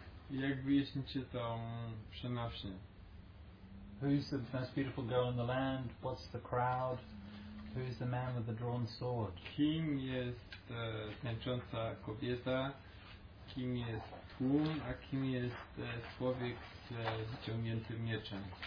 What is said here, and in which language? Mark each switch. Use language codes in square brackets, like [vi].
[pl] Jak wyjaśnicie tą przenośnię? [en] Who's the most beautiful girl in the land? What's the crowd? Who's the man with the drawn sword? [pl] Kim jest tańcząca kobieta? Kim jest tłum? A kim jest człowiek z wyciągniętym mieczem?